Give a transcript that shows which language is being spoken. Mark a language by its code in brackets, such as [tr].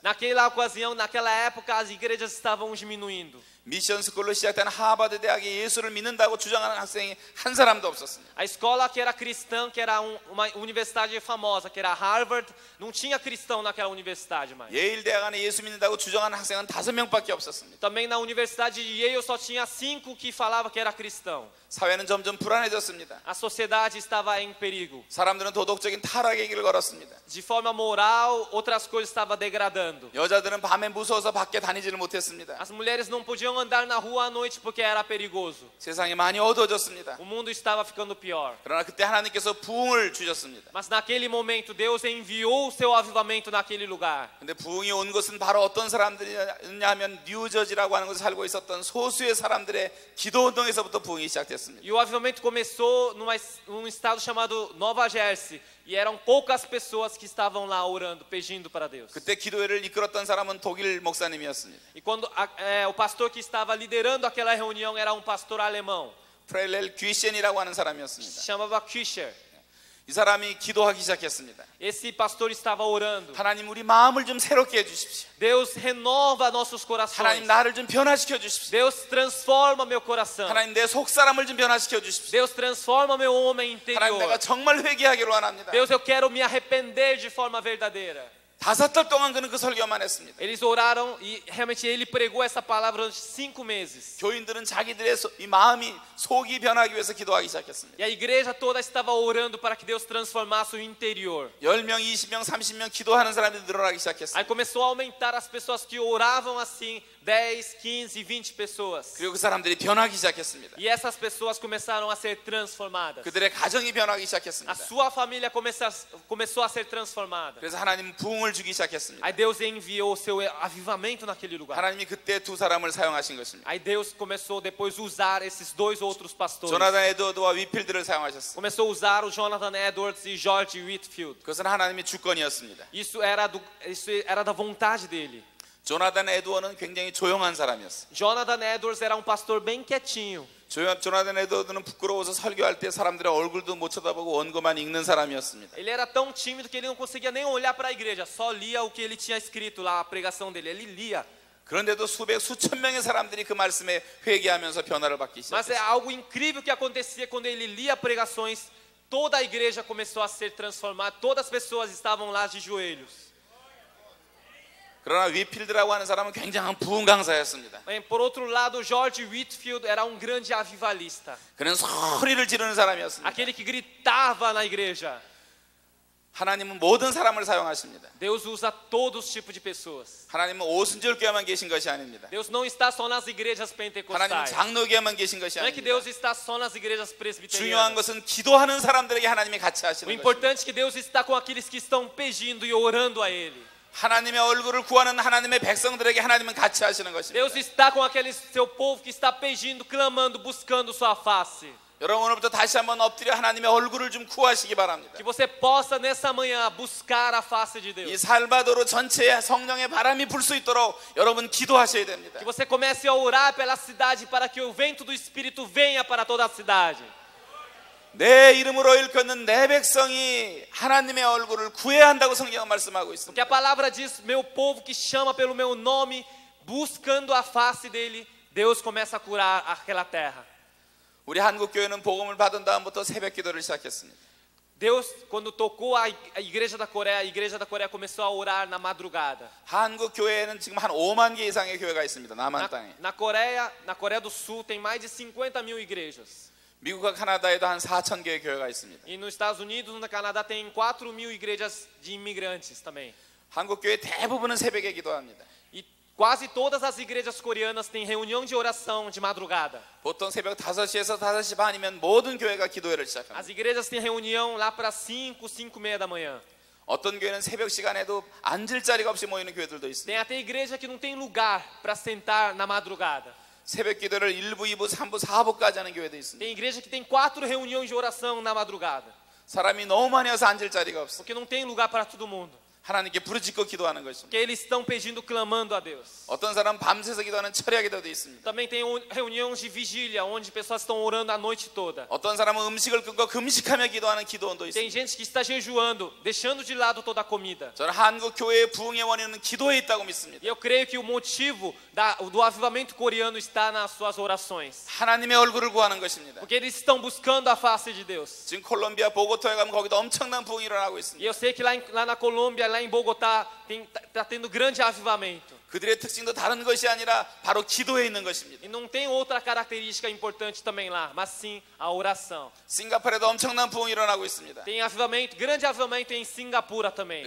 [pt] Naquela ocasião, naquela época, as igrejas estavam diminuindo. [ko] 미션 스쿨로 시작된 하버드 대학이 예수를 믿는다고 주장하는 학생이 한 사람도 없었습니다. [pt] A escola que era cristã, que era uma universidade famosa, que era Harvard, não tinha cristão naquela universidade mais. [ko] 예일 대학 안에 예수 믿는다고 주장하는 학생은 5명밖에 없었습니다. [pt] Também na universidade de Yale só tinha 5 que falava que era cristão. [ko] 사회는 점점 불안해졌습니다. [pt] A sociedade estava em perigo. [ko] 사람들은 도덕적인 타락의 길을 걸었습니다. [pt] De forma moral, outras coisas estavam degradando. [ko] 여자들은 밤에 무서워서 밖에 다니지를 못했습니다. [pt] As mulheres não podiam andar na rua à noite porque era perigoso. [ko] 세상이 많이 어두워졌습니다. [pt] O mundo estava ficando pior. [ko] 그러나 그때 하나님께서 부흥을 주셨습니다. [pt] Mas naquele momento Deus enviou o seu avivamento naquele lugar. [ko] 근데 부흥이 온 것은 바로 어떤 사람들이냐면 뉴저지라고 하는 곳에 살고 있었던 소수의 사람들의 기도 운동에서부터 부흥이 시작됐습니다. [pt] E o avivamento começou num estado chamado Nova Jersey. E eram poucas pessoas que estavam lá orando, pedindo para Deus. [ko] 그때 기도회를 이끌었던 사람은 독일 목사님이었습니다. [pt] E quando o pastor que estava liderando aquela reunião era um pastor alemão. [ko] Freilel Küchen이라고 하는 사람이었습니다. [pt] Se chamava Küchen. [ko] 이 사람이 기도하기 시작했습니다. [pt] Esse pastor estava orando. [ko] 하나님 우리 마음을 좀 새롭게 해 주십시오. [pt] Deus renova nossos corações. [ko] 하나님 나를 좀 변화시켜 주십시오. [pt] Deus transforma meu coração. [ko] 하나님 내 속사람을 좀 변화시켜 주십시오. [pt] Deus transforma meu homem interior. [ko] 하나님 내가 정말 회개하기를 원합니다. [pt] Deus, eu quero me arrepender de forma verdadeira. [ko] 다섯 달 동안 그는 그 설교만 했습니다. [pt] Eles oraram e realmente ele pregou essa palavra durante 5 meses. [ko] 교인들은 자기들의 이 마음이 속이 변하기 위해서 기도하기 시작했습니다. [pt] E a igreja toda estava orando para que Deus transformasse o interior. [ko] 10명, 20명, 30명 기도하는 사람들이 늘어나기 시작했습니다. [pt] Aí começou a aumentar as pessoas que oravam assim, 10, 15, 20 pessoas. [ko] 그리고 그 사람들이 변하기 시작했습니다. [pt] E essas pessoas começaram a ser transformadas. [ko] 그들의 가정이 변하기 시작했습니다. [pt] A sua família começou a ser transformada. [ko] 그래서 하나님 부흥을 주기 시작했습니다. [pt] Aí Deus enviou o seu avivamento naquele lugar. [ko] 하나님이 그때 두 사람을 사용하신 것입니다. [pt] Aí Deus começou depois a usar esses dois outros pastores. [ko] 조나단 에드워드와 위필드를 사용하셨습니다. [pt] Começou a usar o Jonathan Edwards e George Whitefield. [ko] 그것은 하나님의 주권이었습니다. [pt] Isso era da vontade dele. [ko] 조나단 에드워드는 굉장히 조용한 사람이었어요. [pt] Jonathan Edwards era um pastor bem quietinho. [ko] 조나단 에드워드는 부끄러워서 설교할 때 사람들의 얼굴도 못 쳐다보고 원고만 읽는 사람이었습니다. [pt] Ele era tão tímido que ele não conseguia nem olhar para a igreja, só lia o que ele tinha escrito lá, a pregação dele. Ele lia. [ko] 그런데도 수백 수천 명의 사람들이 그 말씀에 회개하면서 변화를 받기 시작했어요. [pt] Mas é algo incrível que acontecia quando ele lia pregações, toda a igreja começou a ser transformada, todas as pessoas estavam lá de joelhos. [ko] 그러나 위필드라고 하는 사람은 굉장한 부흥 강사였습니다. [pt] Por outro lado, George Whitefield era um grande avivalista. [ko] 그는 소리를 지르는 사람이었습니다. [pt] Aquele que gritava na igreja. [ko] 하나님은 모든 사람을 사용하십니다. [pt] Deus usa todos os tipos de pessoas. [ko] 하나님은 오순절 교회만 계신 것이 아닙니다. [pt] Deus não está só nas igrejas pentecostais. [ko] 하나님은 장로교회만 계신 것이 아닙니다. [pt] Não é que Deus está só nas igrejas presbiterianas. [ko] 중요한 것은 기도하는 사람들에게 하나님이 같이 하시는 것입니다. [pt] O importante é que Deus está com aqueles que estão pedindo e orando a ele. [ko] 하나님의 얼굴을 구하는 하나님의 백성들에게 하나님은 같이 하시는 것입니다. [pt] Deus está com aquele seu povo que está pedindo, clamando, buscando sua face. [ko] 여러분 오늘부터 다시 한번 엎드려 하나님의 얼굴을 좀 구하시기 바랍니다. [pt] Que você possa nessa manhã buscar a face de Deus. [ko] 이 살바도르 전체에 성령의 바람이 불 수 있도록 여러분 기도하셔야 됩니다. [pt] Que você comece a orar pela cidade para que o vento do Espírito venha para toda a cidade. [ko] 내 이름으로 일컫는 내 백성이 하나님의 얼굴을 구해야 한다고 성경은 말씀하고 있습니다. [pt] Porque a palavra diz, meu povo que chama pelo meu nome, buscando a face dele, Deus começa a curar aquela terra. [ko] 우리 한국 교회는 복음을 받은 다음부터 새벽 기도를 시작했습니다. [pt] Deus, quando tocou a igreja da Coreia começou a orar na madrugada. [ko] 한국 교회에는 지금 한 5만 개 이상의 교회가 있습니다. 남한 땅에. [pt] Na Coreia do Sul tem mais de 50 mil igrejas. [ko] 미국과 캐나다에도 한 4천 개의 교회가 있습니다. [pt] E nos Estados Unidos, no Canadá tem 4 mil igrejas de imigrantes também. [ko] 한국 교회 대부분은 새벽에 기도합니다. [pt] E quase todas as igrejas coreanas têm reunião de oração de madrugada. [ko] 보통 새벽 5시에서 5시 반이면 모든 교회가 기도회를 시작합니다. [pt] As igrejas têm reunião lá para 5, 5:30 da manhã. [ko] 어떤 교회는 새벽 시간에도 앉을 자리가 없이 모이는 교회들도 있습니다. [pt] Tem até igreja que não tem lugar para sentar na madrugada. [ko] 새벽 기도를 1부, 2부, 3부, 4부까지 하는 교회도 있습니다. [pt] Tem igreja que tem 4 reuniões de oração na madrugada. [ko] 사람이 너무 많이 와서 앉을 자리가 없어. [pt] Porque não tem lugar para todo mundo. [ko] 하나님께 부르짖고 기도하는 것입니다. [pt] Que eles estão pedindo, clamando a Deus. [ko] 어떤 사람 밤새서 기도하는 철야 기도도 있습니다. [pt] Também tem reuniões de vigília onde pessoas estão orando a noite toda. [ko] 어떤 사람은 음식을 끊고 금식하며 기도하는 기도원도 있습니다. [pt] Tem gente que está jejuando, deixando de lado toda a comida. [ko] 저는 한국 교회의 부흥의 원인은 기도에 있다고 믿습니다. [pt] Eu creio que o motivo do avivamento coreano está nas suas orações. [ko] 하나님의 얼굴을 구하는 것입니다. [pt] Porque eles estão buscando a face de Deus. [ko] 지금 콜롬비아 보고토에 가면 거기도 엄청난 부흥이 일어나고 있습니다. [pt] E eu sei que lá na Colômbia, lá em Bogotá, está tendo grande avivamento. [ko] 그들의 특징도 다른 것이 아니라 바로 기도에 있는 것입니다. [pt] E não tem outra característica importante também lá, mas sim a oração. [ko] 싱가포르에도 엄청난 부흥이 일어나고 있습니다. [pt] Tem avivamento, grande avivamento em Singapura também.